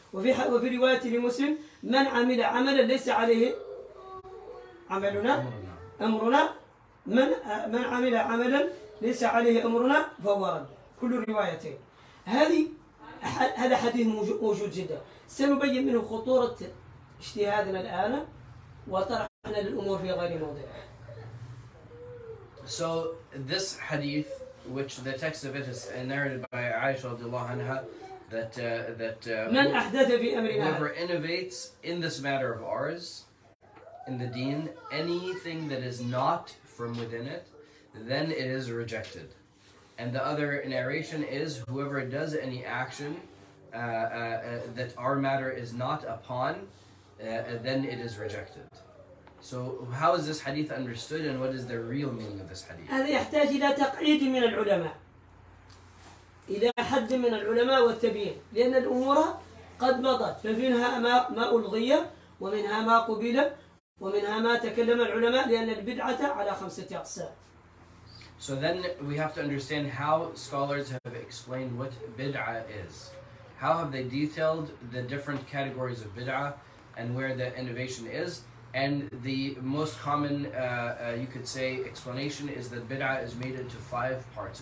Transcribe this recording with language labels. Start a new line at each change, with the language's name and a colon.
Arabic: وفي رواية لمسلم من عمل عملا ليس عليه عملنا أمرنا من عمل عملا ليس عليه أمرنا فهو رد. كل الروايتين هذا حديث موجود جدا. سنبين منه خطورة اجتهادنا الآن وطرحنا للأمور في غير موضعها.
English: So this hadith, which the text of it is narrated by Aisha radiallahu anha, that whoever innovates in this matter of ours, in the deen, anything that is not from within it, then it is rejected. And the other narration is, whoever does any action that our matter is not upon, then it is rejected. So how is this hadith understood and what is the real meaning of this hadith?
Arabic: هذا يحتاج إلى تقعيد من العلماء إلى حد من العلماء والتبيين لأن الأمور قد مضت ففيها ما ألغي ومنها ما قبل ومنها ما تكلم العلماء لأن البدعة على خمسة أقسام.
English: So then we have to understand how scholars have explained what bid'ah is. How have they detailed the different categories of bid'ah and where the innovation is? And the most common, you could say, explanation is that bid'ah is made into five parts.